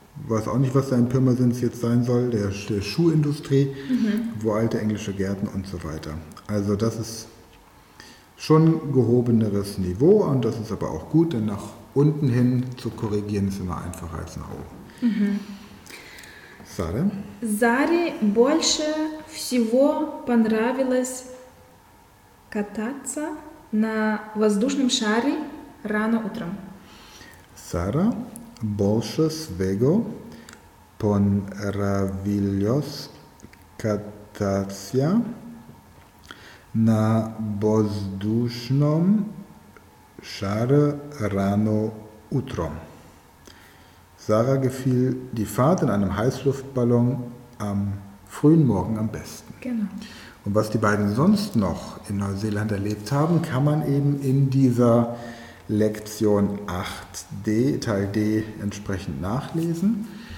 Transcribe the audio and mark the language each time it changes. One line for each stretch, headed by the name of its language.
German: weiß auch nicht, was da in Pirmasens jetzt sein soll, der Schuhindustrie, mhm. wo alte englische Gärten und so weiter. Also das ist schon gehobeneres Niveau und das ist aber auch gut, denn nach unten hin zu korrigieren ist immer einfacher als nach oben. Sare?
Russian: Sare больше всего понравилось кататься на воздушном шаре рано утром. Sara, больше всего понравилось кататься на воздушном шаре рано утром.
German: Sara gefiel die Fahrt in einem Heißluftballon am frühen Morgen am besten. Genau. Und was die beiden sonst noch in Neuseeland erlebt haben, kann man eben in dieser Lektion 8d, Teil D, entsprechend nachlesen.